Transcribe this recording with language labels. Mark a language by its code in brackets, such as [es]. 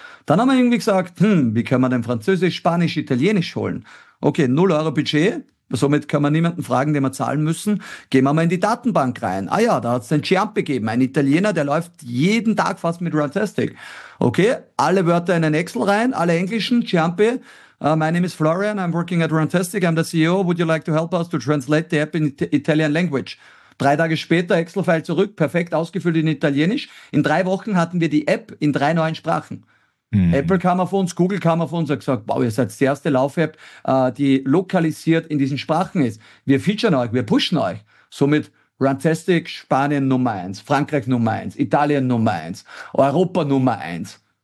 [de] Dann haben wir irgendwie gesagt, wie können wir denn Französisch, Spanisch, Italienisch holen? Okay, 0 Euro Budget. Somit kann man niemanden fragen, den wir zahlen müssen. Gehen wir mal in die Datenbank rein. Ah ja, da hat es den Ciampi gegeben, ein Italiener, der läuft jeden Tag fast mit Runtastic. Okay, alle Wörter in den Excel rein, alle Englischen, Ciampi. [en] My name is Florian, I'm working at Runtastic, I'm the CEO. Would you like to help us to translate the app in Italian language? [de] 3 Tage später, Excel-File zurück, perfekt ausgefüllt in Italienisch. In 3 Wochen hatten wir die App in 3 neuen Sprachen. Apple kam auf uns, Google kam auf uns und hat gesagt, wow, ihr seid die erste Lauf-App, die lokalisiert in diesen Sprachen ist. Wir featuren euch, wir pushen euch. Somit Runtastic, Spanien Nummer 1, Frankreich Nummer 1, Italien Nummer 1, Europa Nummer 1.